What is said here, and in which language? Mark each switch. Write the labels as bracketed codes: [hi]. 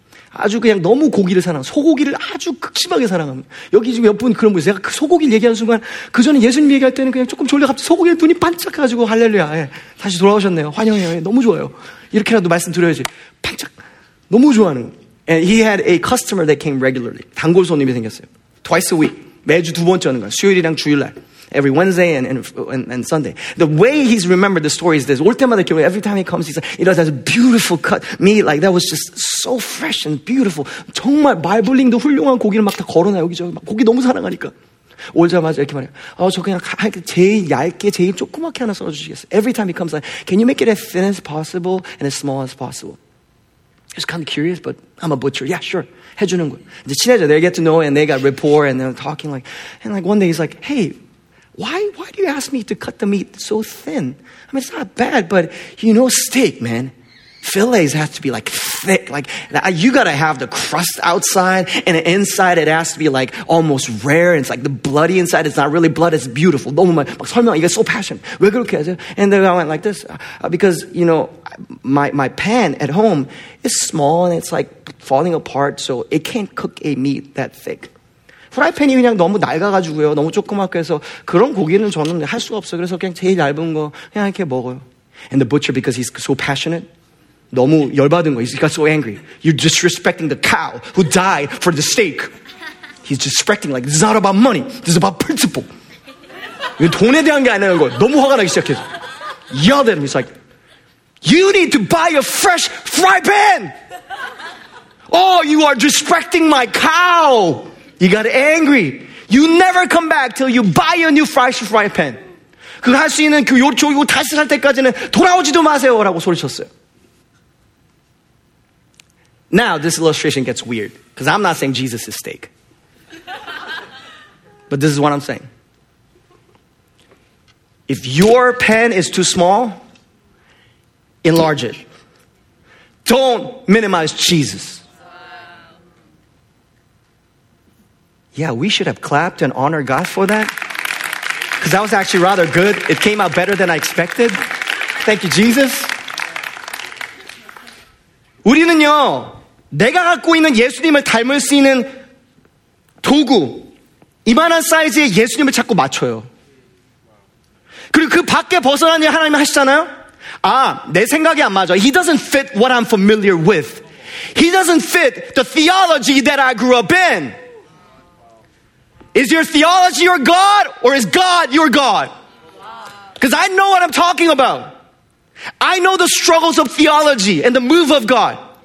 [ko] 아주 그냥 너무 고기를 사랑, 소고기를 아주 극심하게 사랑합니다. 여기 지금 몇 분 그런 분이 제가 그 소고기를 얘기하는 순간 그 전에 예수님 얘기할 때는 그냥 조금 졸려 갑자기 소고기에 눈이 반짝해가지고 할렐루야 예, 다시 돌아오셨네요. 환영해요. 예, 너무 좋아요. 이렇게라도 말씀드려야지. 반짝 너무 좋아하는. [en] And he had a customer that came regularly. [ko] 단골 손님이 생겼어요. [en] Twice a week. [ko] 매주 두 번째 하는 거예요. 수요일이랑 주일날. [en] Every Wednesday and Sunday. The way he's remembered the story is this. [ko] 올 때마다 기억해. [en] Every time he comes, he's like, it has a beautiful cut meat. Like, that was just so fresh and beautiful. [ko] 정말 말블링도 훌륭한 고기를 막 다 걸어놔요. 여기저기. 막 고기 너무 사랑하니까. 오자마자 이렇게 말해요. 저 그냥 제일 얇게, 제일 조그맣게 하나 써주시겠어요? [en] Every time he comes, like, can you make it as thin as possible and as small as possible? He's kind of curious, but I'm a butcher. Yeah, sure. [ko] 해주는 거예요. 이제 친해져. [en] They get to know and they got rapport and they're talking like, and like one day he's like, hey, Why do you ask me to cut the meat so thin? I mean, it's not bad, but you know steak, man. Fillets have to be like thick. Like, you gotta have the crust outside and the inside it has to be like almost rare. It's like the bloody inside is not really blood. It's beautiful. [ko] 너무 많이. 막 설명, 이게 [en] so passionate. [ko] 왜 그렇게 하세요? [en] And then I went like this. Because, you know, my pan at home is small and it's like falling apart. So it can't cook a meat that thick. [ko] 프라이팬이 그냥 너무 낡아가지고요. 너무 조그맣게 해서 그런 고기는 저는 할 수가 없어요. 그래서 그냥 제일 얇은 거 그냥 이렇게 먹어요. [en] And the butcher, because he's so passionate, [ko] 너무 열받은 거예요. [en] He got so angry. You're disrespecting the cow who died for the steak. He's disrespecting, like, this is not about money. This is about principle. [ko] 이거 돈에 대한 게 아니라는 거예요. 너무 화가 나기 시작해서. [en] Yelled at him. He's like, you need to buy a fresh fry pan. Oh, you are disrespecting my cow. He got angry. You never come back till you buy a new fresh fry pan. [ko] 그 할 수 있는 그 요리 조리고 다시 살 때까지는 돌아오지도 마세요 라고 소리쳤어요. [en] Now this illustration gets weird because I'm not saying Jesus is steak. But this is what I'm saying. If your pen is too small, enlarge it. Don't minimize Jesus. Yeah, we should have clapped and honored God for that. Because that was actually rather good. It came out better than I expected. Thank you, Jesus. [ko] 우리는요, 내가 갖고 있는 예수님을 닮을 수 있는 도구, 이만한 사이즈의 예수님을 자꾸 맞춰요. 그리고 그 밖에 벗어난 일 하나님이 하시잖아요. 아, 내 생각이 안 맞아. [en] He doesn't fit what I'm familiar with. He doesn't fit the theology that I grew up in. Is your theology your God or is God your God? Because I know what I'm talking about. I know the struggles of theology and the move of God.